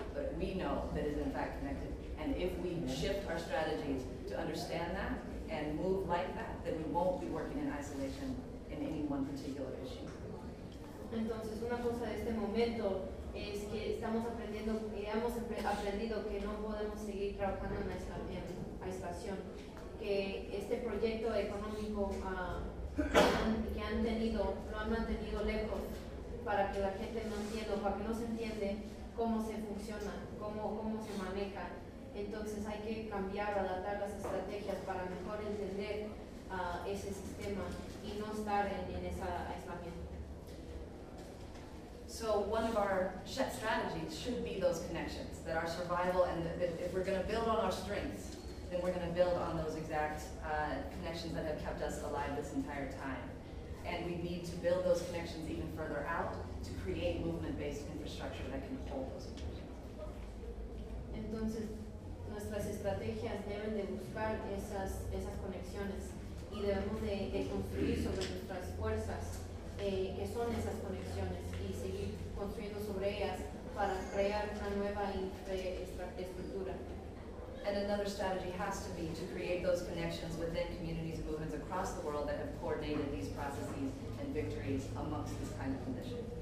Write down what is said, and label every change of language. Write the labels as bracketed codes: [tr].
[en] But we know that it is in fact connected. And if we shift our strategies to understand that and move like that, that we won't be working in isolation in any one particular issue. [es] Entonces, una cosa de este momento es que estamos aprendiendo y hemos aprendido que no podemos seguir trabajando en aislación. Que este proyecto económico lo han mantenido lejos para que la gente no entienda, para que no se entiende cómo se funciona, cómo se maneja. Entonces, hay que cambiar, adaptar las estrategias para mejor entender ese sistema y no estar en esa aislamiento. [en] So one of our strategies should be those connections, that our survival, and if we're going to build on our strengths, then we're going to build on those exact connections that have kept us alive this entire time. And we need to build those connections even further out to create movement-based infrastructure that can hold those connections. [es] Entonces, nuestras estrategias deben de buscar esas conexiones. Y debemos de construir sobre nuestras fuerzas, que son esas conexiones, y seguir construyendo sobre ellas para crear una nueva infraestructura. [en] And another strategy has to be to create those connections within communities and movements across the world that have coordinated these processes and victories amongst this kind of condition.